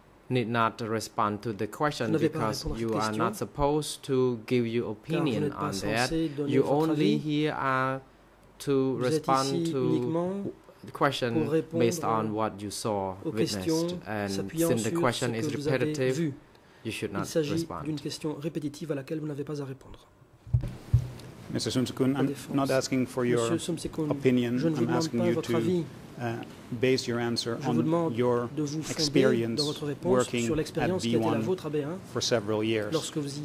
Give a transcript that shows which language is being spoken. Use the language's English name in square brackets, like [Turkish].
[English] Need not respond to the question because you are not supposed to give your opinion on that. You only here are to respond to the question based on what you saw, witnessed. And since the question is repetitive, you should not respond. [French] Il s'agit d'une question répétitive à laquelle vous n'avez pas à répondre. [English] Mr. Somsekun, I'm not asking for your opinion. I'm asking you to base your answer on your experience working at B1 for several years.